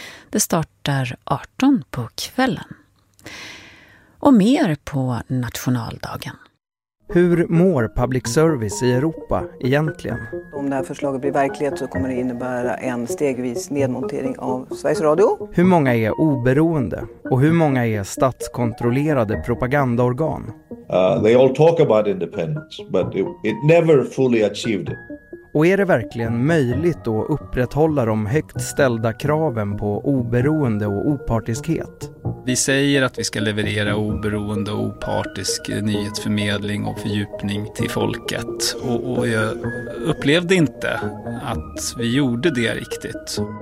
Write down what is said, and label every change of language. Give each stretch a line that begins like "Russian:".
Swedish: Det startar 18 på kvällen. Och mer på nationaldagen. Hur mår public service i Europa egentligen? Om det här förslaget blir verklighet så kommer det innebära en stegvis nedmontering av Sveriges Radio. Hur många är oberoende och hur många är statskontrollerade propagandaorgan?
English: They all talk about independence, but it never fully achieved it.
Swedish: Och är det verkligen möjligt att upprätthålla de högt ställda kraven på oberoende och opartiskhet? Vi säger att vi ska leverera oberoende och opartisk nyhetsförmedling och fördjupning till folket. Och jag upplevde inte att vi gjorde det riktigt.